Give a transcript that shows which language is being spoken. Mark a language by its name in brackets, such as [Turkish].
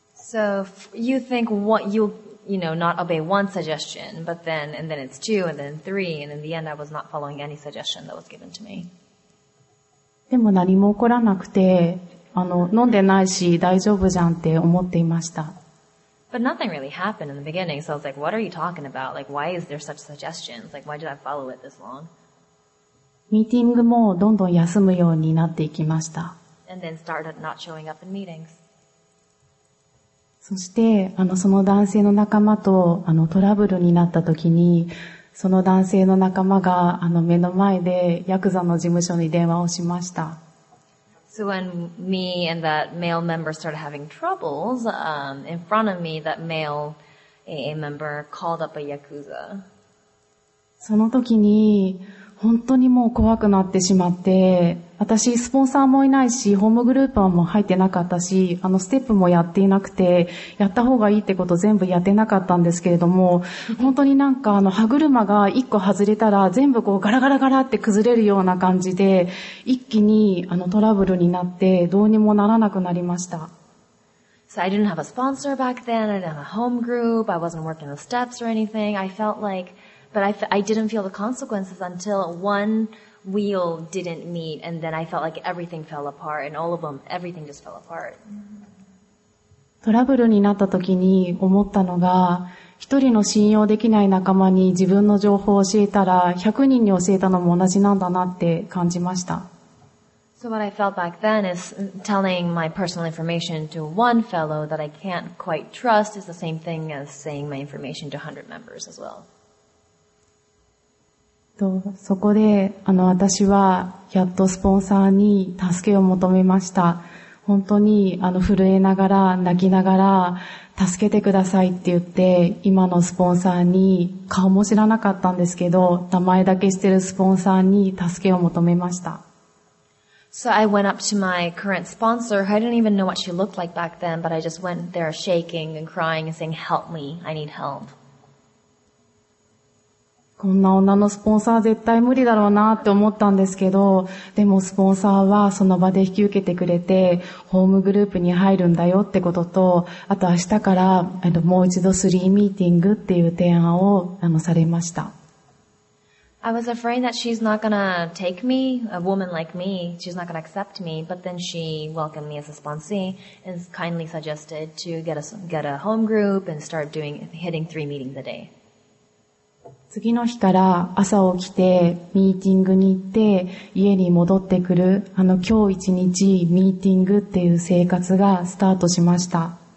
[English] So, you think what you, you know, not obey one suggestion, but then, and then it's two, and then three, and in the end I was not following any suggestion that was given to me. [Japanese] でも何も起こらなくて、飲んでないし大丈夫じゃんって思っていました。 [English] But nothing really happened in the beginning, so I was like, what are you talking about? Like, why is there such suggestions? Like, why did I follow it this long? [Japanese] Meeting もどんどん休むようになっていきました。 [English] And then started not showing up in meetings. [Japanese] そして、その男性の仲間と、トラブルになった時に、その男性の仲間が、目の前でヤクザの事務所に電話をしました。 [English] So when me and that male member started having troubles, in front of me, that male AA member called up a yakuza. [Japanese] その時に本当にもう怖くなってしまって、私スポンサーもいないし、ホームグループも入ってなかったし、ステップもやっていなくて、やった方がいいってこと全部やってなかったんですけれども、本当になんか歯車が一個外れたら全部こうガラガラガラって崩れるような感じで、一気にトラブルになってどうにもならなくなりました。 [English] So I didn't have a sponsor back then. I didn't have a home group. I wasn't working the steps or anything. I felt like... But I didn't feel the consequences until one wheel didn't meet, and then I felt like everything fell apart, and all of them, everything just fell apart. [Japanese] トラブルになった時に思ったのが、一人の信用できない仲間に自分の情報を教えたら、100人に教えたのも同じなんだなって感じました。 [English] So what I felt back then is telling my personal information to one fellow that I can't quite trust is the same thing as saying my information to 100 members as well. [Japanese] そこで私はやっとスポンサーに助けを求めました。本当に震えながら泣きながら助けてくださいって言って、今のスポンサーに、顔も知らなかったんですけど、名前だけ知ってるスポンサーに助けを求めました。 [English] So I went up to my current sponsor. I didn't even know what she looked like back then, but I just went there shaking and crying and saying, help me, I need help. [Japanese] こんな女のスポンサー絶対無理だろうなって思ったんですけど、でもスポンサーはその場で引き受けてくれて、ホームグループに入るんだよってことと、あと明日からもう一度スリーミーティングっていう提案をされました。 [English] I was afraid that she's not gonna take me, a woman like me, she's not gonna accept me, but then she welcomed me as a sponsee and kindly suggested to get a home group and start doing, hitting three meetings a day. [Japanese] 次の日から朝起きてミーティングに行って家に戻ってくる、今日一日ミーティングっていう生活がスタートしました。